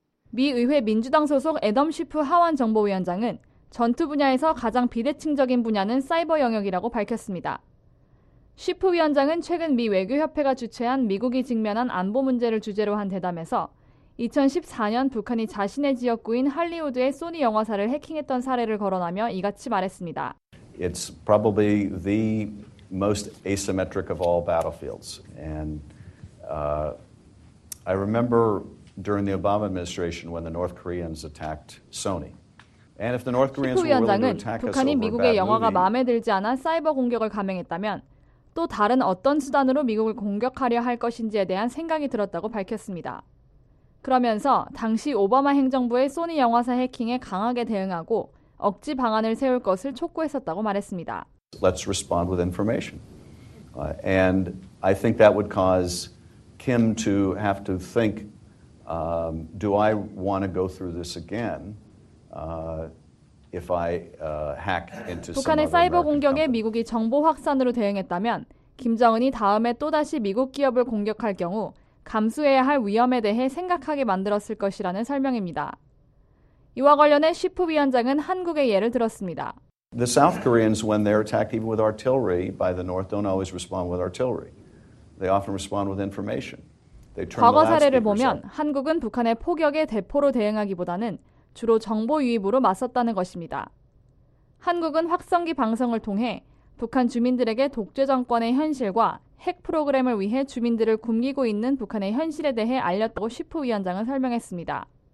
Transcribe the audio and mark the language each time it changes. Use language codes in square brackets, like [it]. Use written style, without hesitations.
[ko] 미 의회 민주당 소속 애덤 시프 하원 정보위원장은 전투 분야에서 가장 비대칭적인 분야는 사이버 영역이라고 밝혔습니다. 시프 위원장은 최근 미 외교협회가 주최한 미국이 직면한 안보 문제를 주제로 한 대담에서 2014년 북한이 자신의 지역구인 할리우드의 소니 영화사를 해킹했던 사례를 거론하며 이같이 말했습니다. [en] It's probably the most asymmetric of all battlefields. And I remember during the Obama administration when the North Koreans attacked Sony. [ko] 시프 위원장은 북한이 미국의 영화가 마음에 들지 않아 사이버 공격을 감행했다면 또 다른 어떤 수단으로 미국을 공격하려 할 것인지에 대한 생각이 들었다고 밝혔습니다. 그러면서 당시 오바마 행정부의 소니 영화사 해킹에 강하게 대응하고 억지 방안을 세울 것을 촉구했었다고 말했습니다. [en] Let's respond with information. And I think that would cause Kim to have to think, do I want to go through this again? If I hack into [ko] 북한의 사이버 공격에 미국이 정보 확산으로 대응했다면 김정은이 다음에 또다시 미국 기업을 공격할 경우 감수해야 할 위험에 대해 생각하게 만들었을 것이라는 설명입니다. 이와 관련해 시프 위원장은 한국의 예를 들었습니다. [en] The South Koreans, when they're attacked even with artillery by the North, don't always respond with artillery. They often respond with information. They turn [ko] 과거 사례를 보면 한국은 북한의 포격에 대포로 대응하기보다는 주로 정보 유입으로 맞섰다는 것입니다. 한국은 확성기 방송을 통해 북한 주민들에게 독재 정권의 현실과 핵 프로그램을 위해 주민들을 굶기고 있는 북한의 현실에 대해 알렸다고 시프 위원장은 설명했습니다.